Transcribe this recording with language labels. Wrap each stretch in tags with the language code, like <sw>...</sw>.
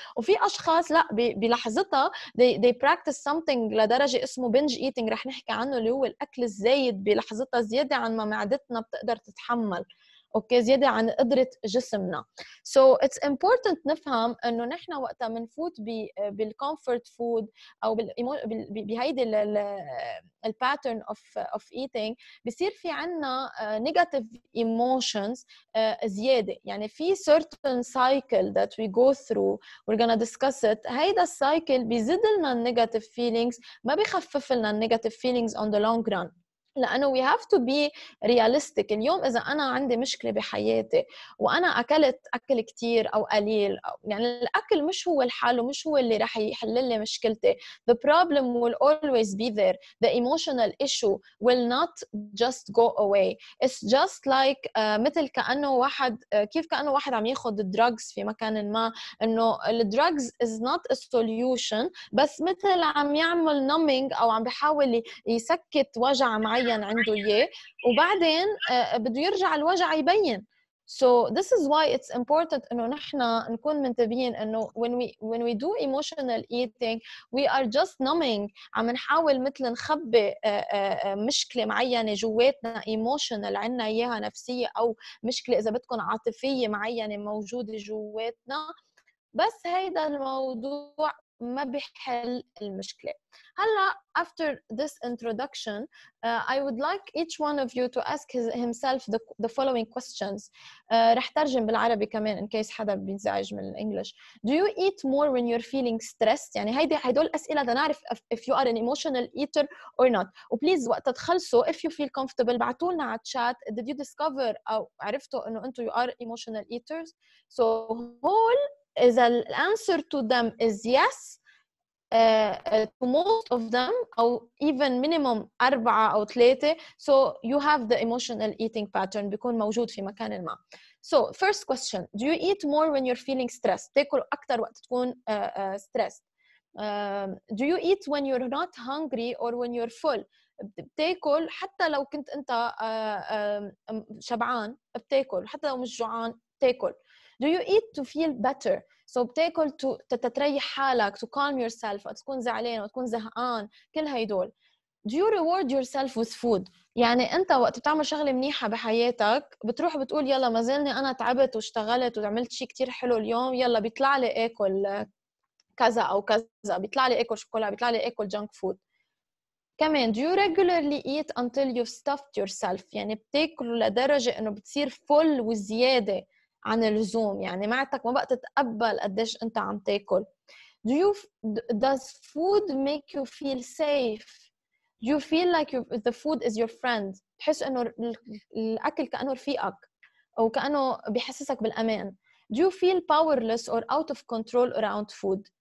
<ar>وفي أشخاص لا بلحظتها</ar> <en>they practice something</en> <ar>لدرجة اسمه binge eating رح نحكي عنه، اللي هو الأكل الزايد بلحظتها زيادة عن ما معدتنا بتقدر تتحمل، أوكي زيادة عن قدرة جسمنا.</ar> <en>So it's important</en> <ar>نفهم أنه نحن وقتها منفوت بالcomfort food أو بهيدي ال</ar> <en>pattern of eating</en> <ar>بصير في عنا</ar> <en>negative emotions</en> <ar>زيادة. يعني في</ar> <en>certain cycle that we go through we're gonna discuss it.</en> <ar>هيدا cycle بيزيد لنا</ar> <en>negative feelings</en> <ar>ما بيخفف لنا negative feelings</ar> <en>on the long run.</en> <ar>لأنه</ar> <en>we have to be realistic.</en> <ar>اليوم إذا أنا عندي مشكلة بحياتي وأنا أكلت أكل كتير أو قليل، يعني الأكل مش هو الحال ومش هو اللي رح يحل لي مشكلتي.</ar> <en>The problem will always be there. The emotional issue will not just go away. It's just like</en> <ar>مثل كأنه واحد كيف كأنه واحد عم ياخد drugs في مكان ما، إنه</ar> <en>drugs is not a solution</en> <ar>بس مثل عم يعمل numbing أو عم بحاول يسكت وجع معي عنده إياه وبعدين بده يرجع الوجع يبين.</ar> <en>So this is why it's important</en> <ar>إنه نحنا نكون منتبهين إنه</ar> <en>when we do emotional eating we are just numbing.</en> <ar>عم نحاول مثل نخبي مشكلة معينة جواتنا emotional عنا إياها نفسية أو مشكلة إذا بتكون عاطفية معينة موجودة جواتنا. بس هيدا الموضوع ما بيحل المشكلة.</ar> <en>هلا after this introduction, I would like each one of you to ask himself the following questions.</en> <ar>رح ترجم بالعربي كمان</ar> <en>in case</en> <ar>حدا بينزعج من الانجليش.</ar> <en>Do you eat more when you're feeling stressed?</en> <ar>يعني هيدي هيدول أسئلة لنعرف</ar> <en>if you are an emotional eater or not.</en> <ar>وبليز وقت تخلصوا</ar> <en>if you feel comfortable</en> <ar>بعتولنا على</ar> <en>chat did you discover</en> <ar>أو عرفتوا إنه أنتوا</ar> <en>you are emotional eaters. So</en> <ar>هول</ar> <en>is the answer to them is yes to most of them or even minimum 4 or 3 so you have the emotional eating pattern</en> <ar>بيكون موجود في مكان ما.</ar> <en>So first question, do you eat more when you're feeling stressed?</en> <ar>تاكل اكثر وقت تكون stressed.</ar> <en>Do you eat when you're not hungry or when you're full?</en> <ar>بتاكل حتى لو كنت انت شبعان بتاكل حتى لو مش جوعان تاكل.</ar> <en>Do you eat to feel better?</en> <ar>So بتاكل تتريح حالك,</ar> <en>to calm yourself,</en> <ar>وتكون زعلان وتكون زهقان, كل هيدول.</ar> <en>Do you reward yourself with food?</en> <ar>يعني انت وقت بتعمل شغلة منيحة بحياتك بتروح بتقول يلا ما زلني انا تعبت واشتغلت وعملت شيء كتير حلو اليوم يلا بيطلع لي اكل كذا او كذا, بيطلع لي اكل شوكولا, بيطلع لي اكل junk food. كمان</ar> <en>do you regularly eat until you've stuffed yourself?</en> <ar>يعني بتاكل لدرجة انه بتصير full وزيادة عن اللزوم, يعني معتك ما بقى تتقبل قديش انت عم تاكل.</ar> <en>Does food make you feel safe? Do you feel like the food is your friend?</en> <ar>تحس انه الاكل كأنه رفيقك او كأنه بيحسسك بالامان.</ar> <en>Do you feel powerless or out of control around food?</en>